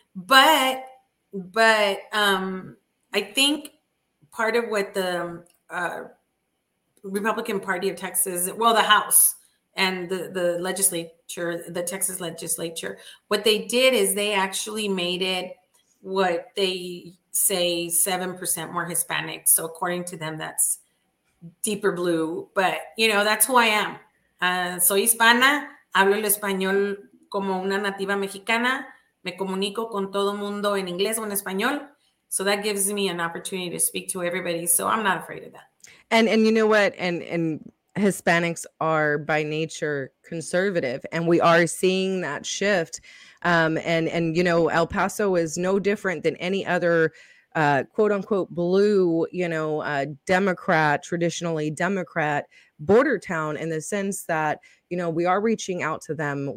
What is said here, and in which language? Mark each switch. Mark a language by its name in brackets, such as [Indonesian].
[English] But I think part of what the Republican Party of Texas, well, the House and the legislature, the Texas legislature, what they did is they actually made it what they say 7% more Hispanic. So according to them, that's deeper blue. But, you know, that's who I am. [Spanish] Soy hispana. Hablo el español como una nativa mexicana. Me comunico con todo mundo en inglés o en español. [English] So that gives me an opportunity to speak to everybody. So I'm not afraid of that. And you know what? And Hispanics are by nature conservative, and we are seeing that shift. And you know, El Paso is no different than any other quote unquote blue, you know, traditionally Democrat border town, in the sense that, you know, we are reaching out to them.